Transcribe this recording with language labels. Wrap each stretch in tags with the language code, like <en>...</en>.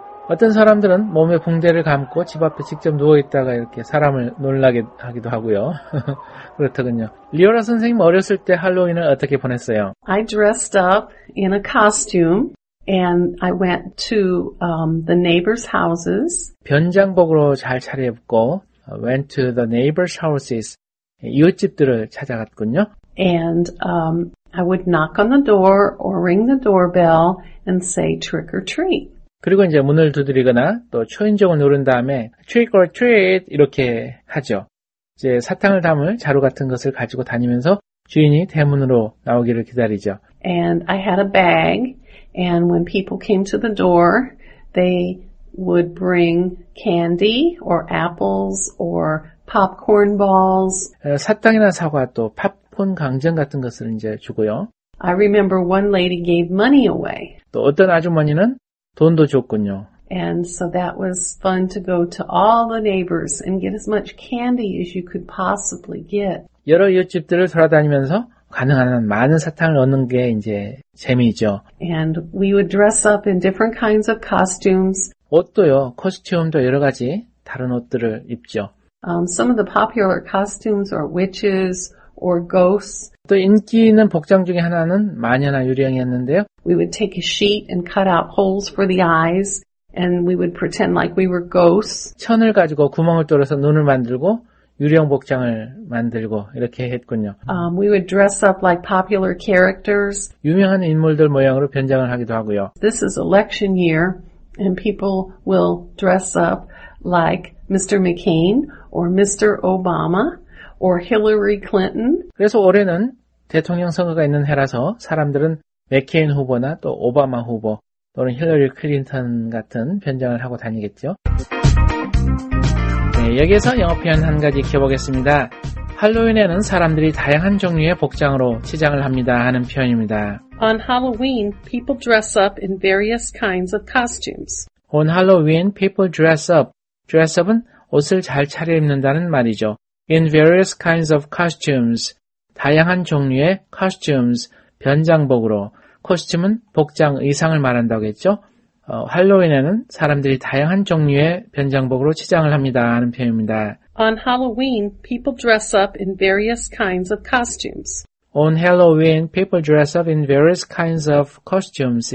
<ko>어떤 사람들은 몸에 붕대를 감고 집 앞에 직접 누워있다가 이렇게 사람을 놀라게 하기도 하고요. 그렇더군요. 리오라 선생님 어렸을 때 할로윈을 어떻게 보냈어요?</ko> <en>I dressed up in a costume and I went to the neighbor's houses.</en> <ko>변장복으로 잘 차려입고</ko> <en>went to the neighbor's houses.</en> <ko>이웃집들을 찾아갔군요.</ko> <en>And I would knock on the door or ring the doorbell and say trick or treat.</en> <ko>그리고 이제 문을 두드리거나 또 초인종을 누른 다음에 trick or treat 이렇게 하죠. 이제 사탕을 담을 자루 같은 것을 가지고 다니면서 주인이 대문으로 나오기를 기다리죠.</ko> <en>And I had a bag and when people came to the door, they would bring candy or apples or popcorn balls.</en> <ko>사탕이나 사과 또 팝콘 강정 같은 것을 이제 주고요.</ko> <en>I remember one lady gave money away.</en> <ko>또 어떤 아주머니는 돈도 줬군요.</ko> <en>And so that was fun to go to all the neighbors and get as much candy as you could possibly get.</en> <ko>여러 이웃집들을 돌아다니면서 가능한 많은 사탕을 얻는 게 이제 재미죠.</ko> <en>And we would dress up in different kinds of costumes.</en> <ko>옷도요, 코스튬도 여러 가지 다른 옷들을 입죠.</ko> <en>Some of the popular costumes are witches or ghosts.</en> <ko>또 인기 있는 복장 중에 하나는 마녀나 유령이었는데요.</ko> <en>We would take a sheet and cut out holes for the eyes, and we would pretend like we were ghosts.</en> <ko>천을 가지고 구멍을 뚫어서 눈을 만들고 유령 복장을 만들고 이렇게 했군요.</ko> <en>We would dress up like popular characters.</en> <ko>유명한 인물들 모양으로 변장을 하기도 하고요.</ko> <en>This is election year, and people will dress up like Mr. McCain or Mr. Obama or Hillary Clinton.</en> <ko>그래서 올해는 대통령 선거가 있는 해라서 사람들은 맥케인 후보나 또 오바마 후보 또는 힐러리 클린턴 같은 변장을 하고 다니겠죠. 네, 여기에서 영어 표현 한 가지 익혀보겠습니다. 할로윈에는 사람들이 다양한 종류의 복장으로 치장을 합니다 하는 표현입니다.</ko> <en>On Halloween, people dress up in various kinds of costumes. On Halloween, people dress up.</en> <ko>Dress up은 옷을 잘 차려입는다는 말이죠.</ko> <en>In various kinds of costumes.</en> <ko>다양한 종류의 costumes. 변장복으로. 코스튬은 복장, 의상을 말한다고 했죠. 할로윈에는 사람들이 다양한 종류의 변장복으로 치장을 합니다 하는 표현입니다.</ko> <en>On Halloween, people dress up in various kinds of costumes. On Halloween, people dress up in various kinds of costumes.</en>